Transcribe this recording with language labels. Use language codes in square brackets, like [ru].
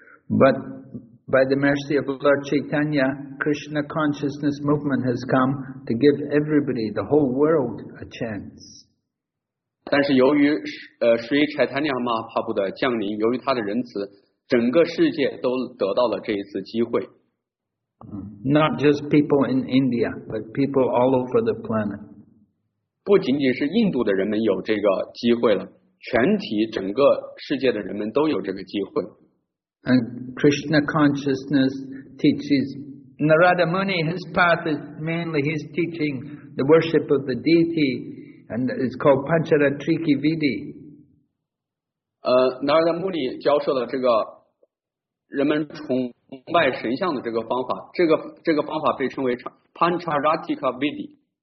[en] But by the mercy of Lord Chaitanya, Krishna consciousness movement has come to give everybody, the whole world, a chance. [zh] 但是由于Sri Chaitanya Mahaprabhu 的降临，由于他的仁慈，整个世界都得到了这一次机会。 [en] Not just people in India, but people all over the planet. [zh] 不仅仅是印度的人们有这个机会了，全体整个世界的人们都有这个机会。 [en] And Krishna consciousness teaches Narada Muni. His path is mainly he's teaching the worship of the deity, and it's called Pancharatriki Vidhi. [zh] Narada Muni 教授的这个人们崇拜神像的这个方法，这个方法被称为 Pancharatrika Vidhi。